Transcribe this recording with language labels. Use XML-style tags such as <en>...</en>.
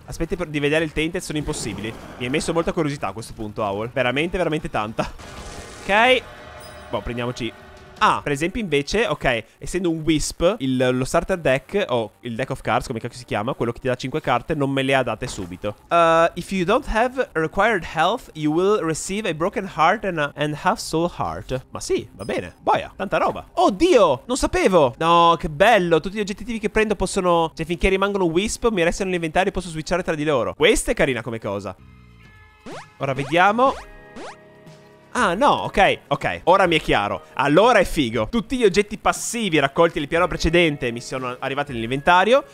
<it>Aspetti di vedere il tainted, sono impossibili. Mi hai messo molta curiosità a questo punto, Owl. Veramente, veramente tanta. Ok. Boh, prendiamoci... ah, per esempio invece, ok, essendo un Wisp, lo starter deck, o il deck of cards, come cacchio si chiama, quello che ti dà 5 carte, non me le ha date subito.</it> <en>If you don't have required health, you will receive a broken heart and a half soul heart.</en> <it>Ma sì, va bene, boia, tanta roba. Oddio, non sapevo! No, che bello, tutti gli oggettivi che prendo possono... cioè, finché rimangono Wisp, mi restano nell'inventario e posso switchare tra di loro. Questa è carina come cosa. Ora vediamo... ah no, ok, ok, ora mi è chiaro. Allora è figo. Tutti gli oggetti passivi raccolti nel piano precedente mi sono arrivati nell'inventario.</it>